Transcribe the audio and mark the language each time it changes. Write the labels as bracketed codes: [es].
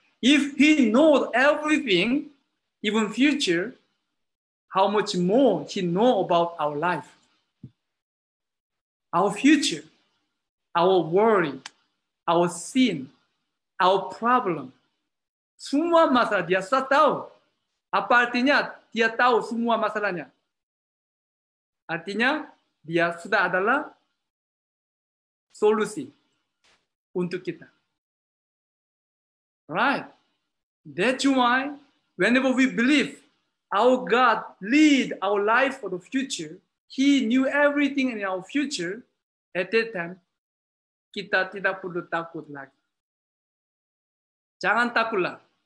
[en] If he knows everything, even future, how much more he know about our life, our future, our worry, our sin, our problem. [id] Semua masalah dia sudah tahu. Apa artinya dia tahu semua masalahnya? Artinya dia sudah adalah solusi untuk kita. [en] Right? That's why whenever we believe our God lead our life for the future, he knew everything in our future, at that time, [id] kita tidak perlu takut lagi. Jangan takutlah.